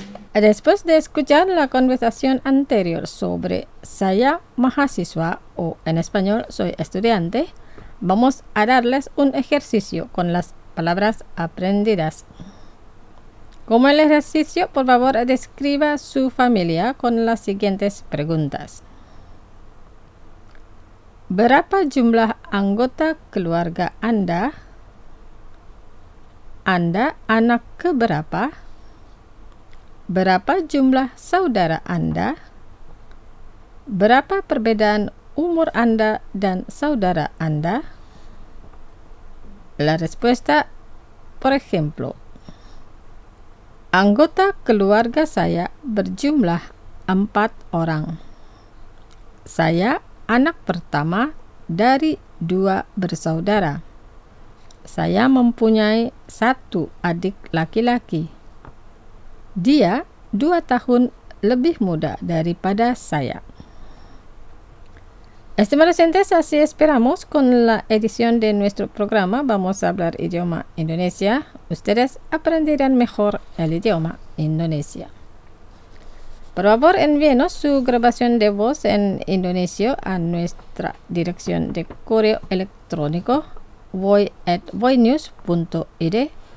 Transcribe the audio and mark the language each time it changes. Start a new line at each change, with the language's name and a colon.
Spanish: Después de escuchar la conversación anterior sobre
Indonesian: saya mahasiswa
Spanish: o en español soy estudiante, vamos a darles un ejercicio con las palabras aprendidas. Como el ejercicio, por favor, describa su familia con las siguientes preguntas.
Indonesian: ¿Berapa jumlah anggota keluarga Anda? ¿Anda anak keberapa? ¿Berapa jumlah saudara Anda? ¿Berapa perbedaan umur Anda dan saudara Anda?
Spanish: La respuesta, por ejemplo,
Indonesian: anggota keluarga saya berjumlah 4 orang. Saya anak pertama dari 2 bersaudara. Saya mempunyai 1 adik laki-laki. Dia 2 tahun lebih muda daripada saya.
Spanish: Estimados oyentes, así esperamos con la edición de nuestro programa Vamos a Hablar Idioma Indonesia. Ustedes aprenderán mejor el idioma indonesia. Por favor, envíenos su grabación de voz en indonesio a nuestra dirección de correo electrónico voy@voynews.id.